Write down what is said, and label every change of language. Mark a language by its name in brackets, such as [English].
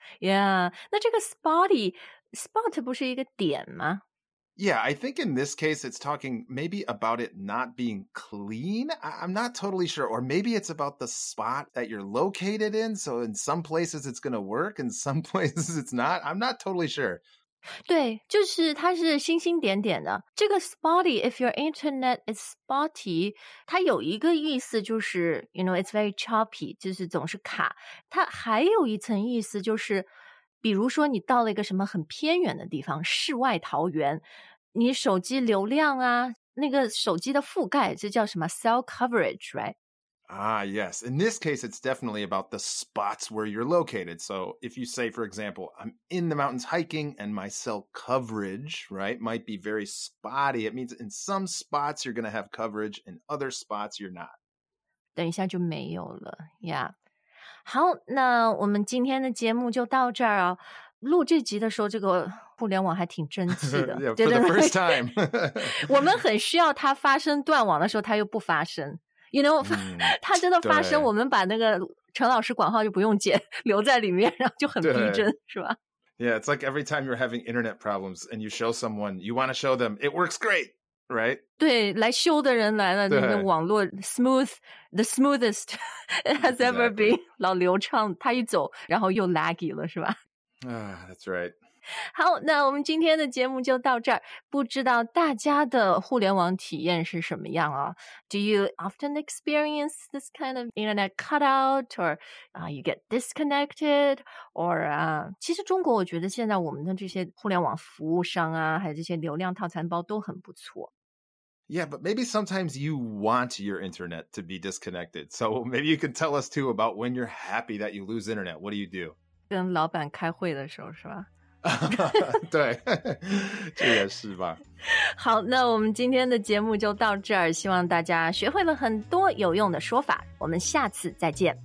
[Chinese] Yeah, 那这个 spotty, spot 不是一个点吗？ [English] Yeah, I think in this case, it's talking maybe about it not being clean. I'm not totally sure. Or maybe it's about the spot that you're located in. So in some places, it's going to work. In some places, it's not. I'm not totally sure. [Chinese] 对，就是它是星星点点的。这个 [English] spotty, if your internet is spotty, [Chinese] 它有一个意思就是 [English] you know, it's very choppy, [Chinese] 就是总是卡。它还有一层意思就是比如说你到了一个什么很偏远的地方，世外桃源，你手机流量啊，那个手机的覆盖，这叫什么 [English] cell coverage, right? Ah, yes. In this case, it's definitely about the spots where you're located. So if you say, for example, I'm in the mountains hiking and my cell coverage, right, might be very spotty. It means in some spots you're going to have coverage, in other spots you're not. [Chinese] 等一下就没有了 ,yeah. 好，那我们今天的节目就到这儿啊。录这集的时候这个互联网还挺争气的。 [English] Yeah, for the first time. [Chinese] 我们很需要它发生断网的时候它又不发生。 You know, 它真的发生，我们把那个陈老师广号就不用剪，留在里面，然后就很逼真，是吧？ [English] Yeah, it's like every time you're having internet problems and you show someone, you want to show them, it works great, right? [Chinese] 对，来修的人来了，那个网络 smooth, [English] the smoothest it has ever been, [Chinese] 老流畅，他一走，然后又 laggy 了，是吧？ [English] That's right. [Chinese] 好，那我们今天的节目就到这儿。不知道大家的互联网体验是什么样啊 ？ [English] Do you often experience this kind of internet cutout, or you get disconnected, or [Chinese] 其实中国我觉得现在我们的这些互联网服务商啊，还有这些流量套餐包都很不错。 [English] Yeah, but maybe sometimes you want your internet to be disconnected. So maybe you can tell us too about when you're happy that you lose internet. What do you do? [Chinese] 跟老板开会的时候是吧？对，这也是吧。好，那我们今天的节目就到这儿，希望大家学会了很多有用的说法，我们下次再见。